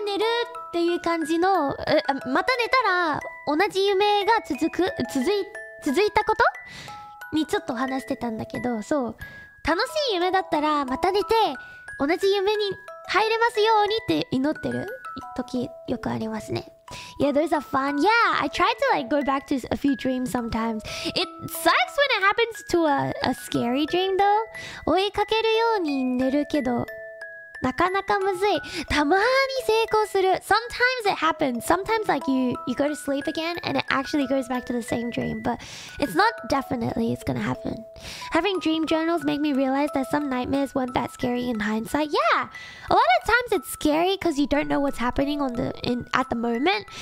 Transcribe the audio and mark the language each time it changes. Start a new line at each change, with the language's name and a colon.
Japanese: 今の話はちょっとなんか夢の中でなんか起きてまた寝るっていう感じの また寝たら同じ夢が続いたこと? にちょっと話してたんだけど So 楽しい夢だったらまた寝て 同じ夢に入れますようにって祈ってる時よくありますね
English: Yeah, those are fun. Yeah, I try to like go back to a few dreams sometimes. It sucks when it happens to a scary dream though.
Japanese: 追いかけるように寝るけどなかなかむずい。たまに成功する
English: Sometimes it happens. Sometimes like you go to sleep again and it actually goes back to the same dream. But it's not definitely it's gonna happen. Having dream journals make me realize that some nightmares weren't that scary in hindsight. Yeah! A lot of times it's scary because you don't know what's happening at the moment.